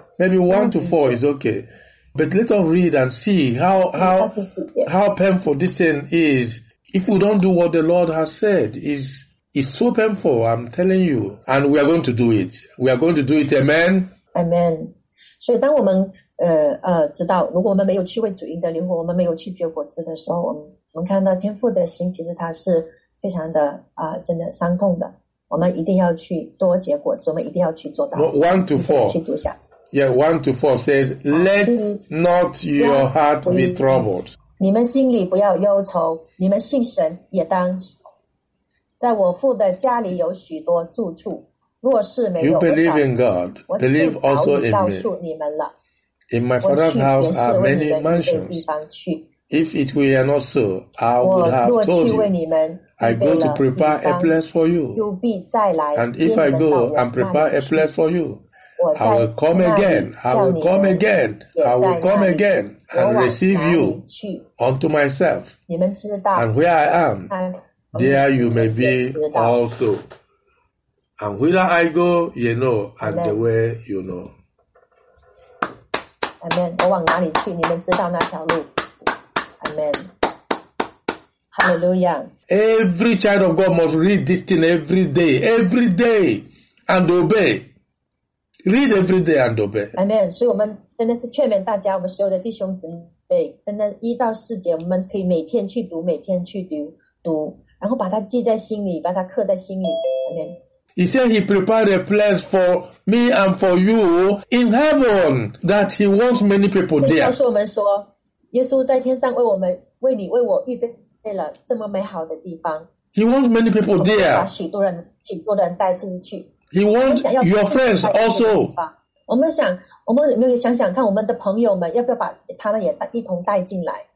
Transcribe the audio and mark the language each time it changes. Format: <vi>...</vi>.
<en>Maybe 1-4 is okay, but let us read and see how painful this thing is. If we don't do what the Lord has said, it's so painful. I'm telling you, and we are going to do it. We are going to do it. Amen. Amen.</en> <zh>所以当我们知道，如果我们没有去为主赢得灵魂，我们没有去结果子的时候，我们看到天父的心其实他是非常的真的伤痛的。我们一定要去多结果子，我们一定要去做到。 1-4，去读一下。</zh> <en>Yeah, 1-4 says, let not your heart be troubled.</en> <zh>你们心里不要忧愁，你们信神也当。在我父的家里有许多住处，若是没有，</zh> <en>you believe in God, believe also in me.</en> <zh>我早已告诉你们了。</zh> <en>In my father's house are many mansions. If it were not so, I would have told you. I go to prepare a place for you. You'll be</en> <zh>再来。</zh> <en>And if I go and prepare a place for you, I will come again. I will come again and receive you unto myself. And where I am, there you may be also. And whither I go, you know, and the way you know. Amen.</en> <zh>我往哪里去, 你们知道那条路。</zh> <en>Amen. Hallelujah. Every child of God must read this thing every day. Every day and obey. Read every day and obey. Amen.</en> <zh>所以我们真的是劝勉大家, 我们所有的弟兄姊妹, 真的一到四节, 我们可以每天去读, 每天去读, 然后把它记在心里, 把它刻在心里。</zh> <en>Amen. He said he prepared a place for me and for you in heaven, that he wants many people there.</en> <zh>这就是我们说, 耶稣在天上为我们, 为你, 为我预备了这么美好的地方。</zh> <en>He wants many people there.</en> <zh>我们把许多人, 许多人带进去。</zh> <en>He wants your friends also.</en> <zh>我们想, 我们想想看, 我们的朋友们, 要不要把他们也一同带进来。</zh>